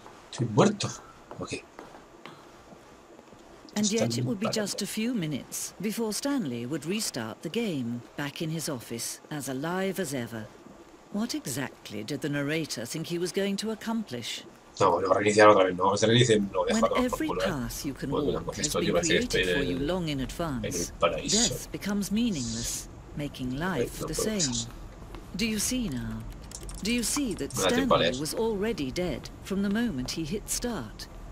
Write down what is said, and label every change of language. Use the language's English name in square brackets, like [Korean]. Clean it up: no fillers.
[Spanish] ¿Estoy muerto? Okay. [English] And yet it would be just a few minutes before Stanley would restart the game, back in his office, as alive as ever. What exactly did the narrator think he was going to accomplish? [Spanish] No, lo va a reiniciar otra vez, no, se reinicie, no, déjalo. [English] When every path you can walk has been created for you long in advance, death becomes meaningless, making life the same. Do you see now? Do you see that Stanley was already dead from the moment he hit start?